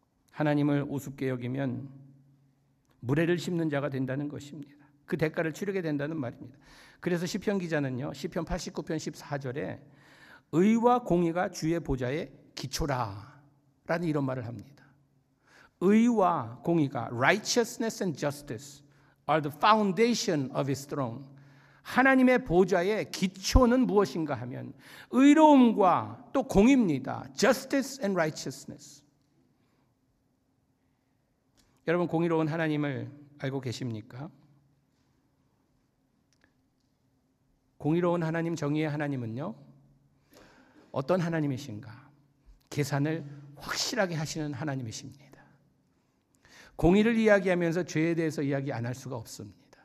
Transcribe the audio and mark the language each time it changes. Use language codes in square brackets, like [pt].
[ko] 하나님을 우습게 여기면 무례를 심는 자가 된다는 것입니다. 그 대가를 치르게 된다는 말입니다. 그래서 시편 기자는요, 시편 89편 14절에 의와 공의가 주의 보좌의 기초라 라는 이런 말을 합니다. 의와 공의가, [en] righteousness and justice are the foundation of his throne. [ko] 하나님의 보좌의 기초는 무엇인가 하면 의로움과 또 공의입니다. [en] justice and righteousness. [ko] 여러분, 공의로운 하나님을 알고 계십니까? 공의로운 하나님, 정의의 하나님은요, 어떤 하나님이신가? 계산을 확실하게 하시는 하나님이십니다. 공의를 이야기하면서 죄에 대해서 이야기 안 할 수가 없습니다.